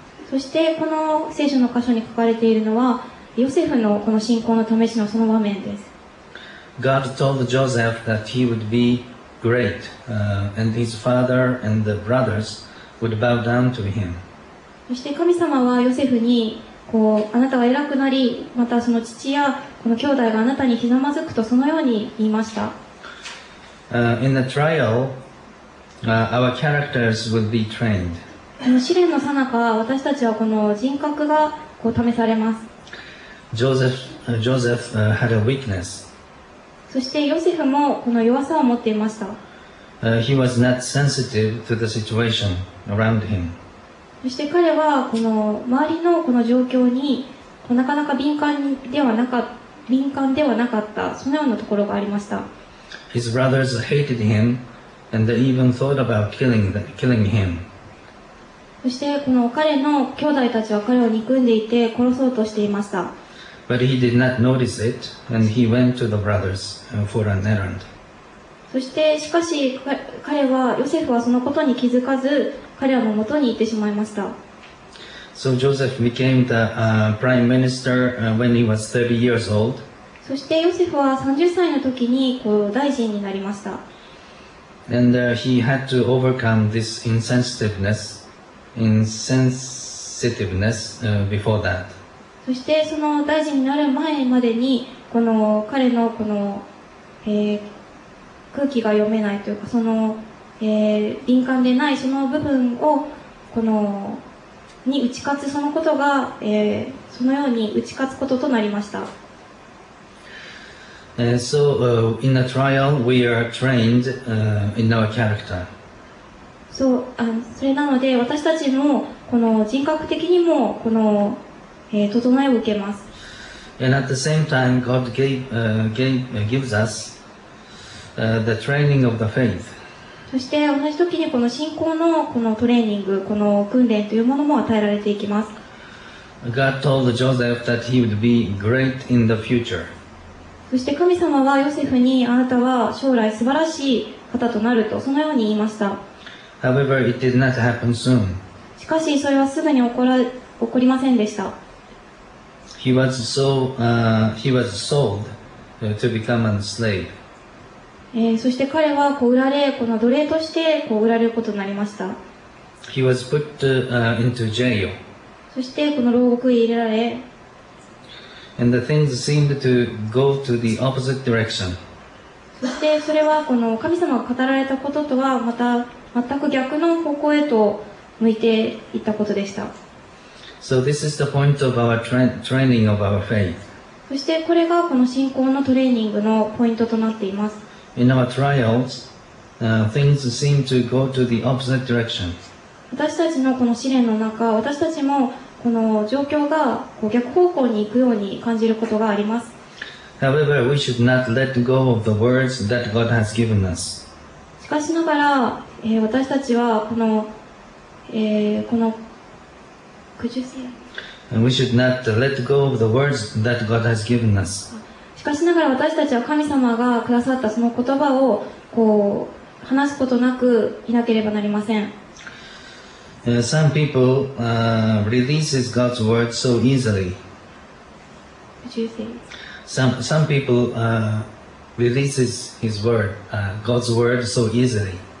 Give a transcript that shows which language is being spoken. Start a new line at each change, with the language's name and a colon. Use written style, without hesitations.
Japanese: そしてこの聖書の箇所に書かれているのはヨセフのこの信仰の試しのその場面です。
English: God told Joseph that he would be great, and his father and the brothers would bow down to him.
Japanese: そして神様はヨセフにこうあなたは偉くなり、またその父やこの兄弟があなたにひざまずくと、そのように言いました。
English: In the trial, our characters would be trained.
Japanese: 試練の最中、私たちはこの人格がこう試されます。
English: Joseph had a weakness.
Japanese: そしてヨセフもこの弱さを持っていました。
English: He was not sensitive to the situation around him.
Japanese: そして彼はこの周りのこの状況に、なかなか敏感ではなかった、そのようなところがありました。
English: His brothers hated him and they even thought about killing him.
Japanese: そしてこの彼の兄弟たちは彼を憎んでいて殺そうとしていました。
English: But he did not notice it and he went to the brothers for an errand.
Japanese: そしてしかし彼はヨセフはそのことに気づかず彼らの元に行ってしまいました。
English: So Joseph became the prime minister when he was 30 years old.
Japanese: そしてヨセフは30歳の時にこう大臣になりました。
English: And he had to overcome this insensitiveness before that.
Japanese: そしてその大臣になる前までに、この彼のこの、空気が読めないというか、その、敏感でないその部分をこのに打ち勝つ、そのことが、そのように打ち勝つこととなりました。
English: So in a trial, we are trained in our character. So,
Japanese: それなので私たちもこの人格的にもこの、整えを受けます。
English: And at the same time, God gives us the training of the faith.
Japanese: そして同じ時にこの信仰のこのトレーニング、この訓練というものも与えられていきます。
English: God told Joseph that he would be great in the future.
Japanese: そして神様はヨセフに、あなたは将来素晴らしい方となると、そのように言いました。
English: However, it did not happen soon.
Japanese: しかしそれはすぐに起こりませんでした。
English: he was sold to become a slave.
Japanese: そして彼はこう売られ、この奴隷としてこう売られることになりました。
English: he was put to, into jail.
Japanese: そしてこの牢獄に入れられ、
English: And the things seemed to go to the opposite direction.
Japanese: そしてそれはこの神様が語られたこととはまた全く逆の方向へと向いていったことでした。
English: So this is the point of our training of our faith.
Japanese: そしてこれがこの信仰のトレーニングのポイントとなっています。
English: In our trials, things seem to go to the opposite direction.
Japanese: 私たちのこの試練の中、私たちもこの状況が逆方向に行くように感じることがあります。
English: However, we should not let go of the words that God has given us.
Japanese: しかしながら、私たちはこの、この
English: Could you say? We should not let go of the words that God has given us.
Japanese: しかしながら私たちは神様がくださったその言葉をこう話すことなくいなければなりません。
English: Some people releases God's word so easily. Some people releases His word, God's word so easily.